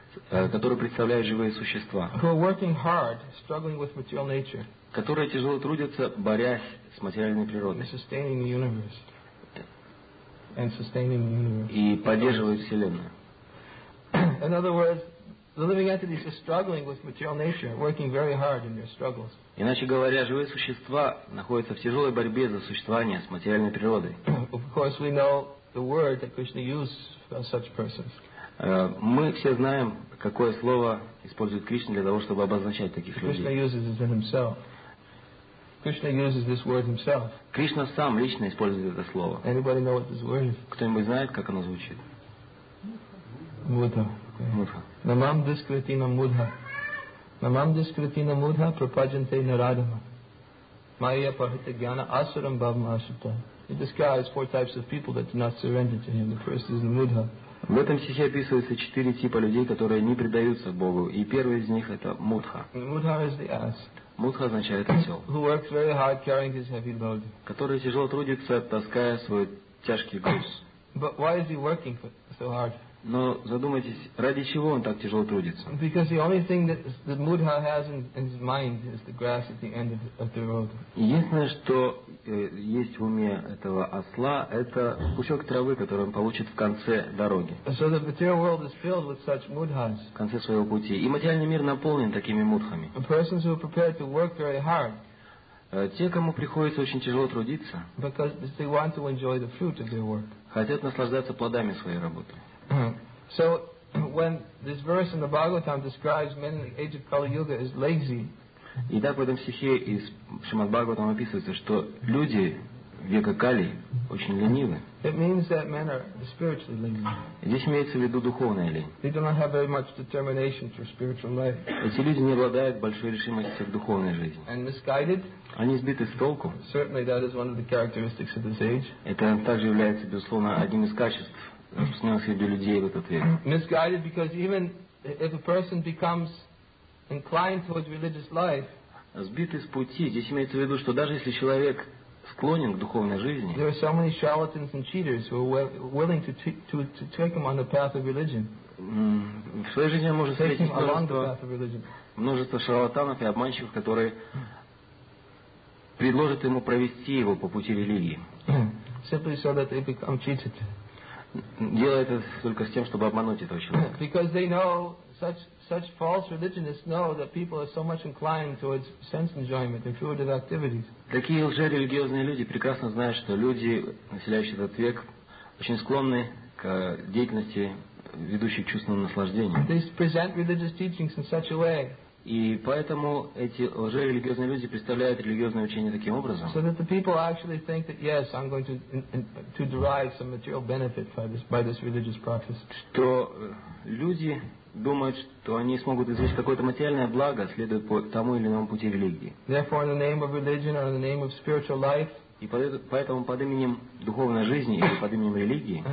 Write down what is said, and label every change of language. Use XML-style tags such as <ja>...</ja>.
<ru>Которые представляют живые существа, которые тяжело трудятся, борясь с материальной природой и поддерживают Вселенную. Иначе говоря, живые существа находятся в тяжелой борьбе за существование с материальной природой.</ru> <en>Of course, we know the word that Krishna used for such persons.</en> <ru>Мы все знаем, какое слово использует Кришна для того, чтобы обозначать таких людей. Кришна сам лично использует это слово. Кто-нибудь знает, как оно звучит?</ru> <sa>Мудха. Намам дискритина мудха. Намам дискритина мудха пропаджанте нарадама. Майя пахита гьяна асурам бхавма ашута.</sa> <en>It describes four types of people that do not surrender to him. The first is the mudha.</en> <ru>В этом стихе описываются 4 типа людей, которые не предаются Богу. И первый из них — это мудха.</ru> <en>Mudha is the ass.</en> <ru>Мудха означает осел.</ru> <en>Who works very hard carrying his heavy load.</en> <ru>Который тяжело трудится, таская свой тяжкий груз.</ru> <en>But why is he working so hard?</en> <ru>Но задумайтесь, ради чего он так тяжело трудится?</ru> <en>Because the only thing that mudha has in his mind is the grass at the end of the road.</en> <ru>Единственное, что есть в уме этого осла, это кусок травы, который он получит в конце дороги.</ru> <en>So the material world is filled with such mudhas.</en> <ru>В конце своего пути. И материальный мир наполнен такими мудхами.</ru> <en>The persons who are prepared to work very hard.</en> <ru>Те, кому приходится очень тяжело трудиться.</ru> <en>Because they want to enjoy the fruit of their work.</en> <ru>Хотят наслаждаться плодами своей работы.</ru> <en>So when this verse in the Bhagavatam describes men in the age of Kali Yuga as lazy.</en> <ru>Итак, в этом стихе из Шримад-Бхагаватам описывается, что люди века Кали очень ленивы.</ru> <en>It means that men are spiritually lazy.</en> <ru>Здесь имеется в виду духовная лень.</ru> <en>They do not have very much determination for spiritual life.</en> <ru>Эти люди не обладают большой решимостью в духовной жизни.</ru> <en>And misguided.</en> <ru>Они сбиты с толку.</ru> <en>Certainly that is one of the characteristics of this age.</en> <ru>Это также является, безусловно, одним из качеств распространенных среди людей в этот век.</ru> <en>Misguided because even if a person becomes inclined towards religious life,</en> <ru>сбиты с пути. Здесь имеется в виду, что даже если человек склонен к духовной жизни,</ru> <en>there are so many charlatans and cheaters who are willing to take him on the path of religion.</en> <ru>В своей жизни можно встретить множество шарлатанов и обманщиков, которые предложат ему провести его по пути религии.</ru> <en>Simply so that they become cheated.</en> <ru>Делает это только с тем, чтобы обмануть этого человека.</ru> <en>Because they know such false religionists know that people are so much inclined towards sense enjoyment and fruitive activities.</en> <ru>Такие лжерелигиозные люди прекрасно знают, что люди, населяющие этот век, очень склонны к деятельности, ведущей к чувственному наслаждению.</ru> <en>They present religious teachings in such a way.</en> <ru>И поэтому эти лжерелигиозные люди представляют религиозное учение таким образом.</ru> <en>So that the people actually think that yes, I'm going to derive some material benefit by this religious practice.</en> <ru>Что люди думают, что они смогут извлечь какое-то материальное благо, следуя по тому или иному пути религии.</ru> <en>Therefore, in the name of religion or in the name of spiritual life,</en> <ru>и поэтому под именем духовной жизни или под именем религии,</ru>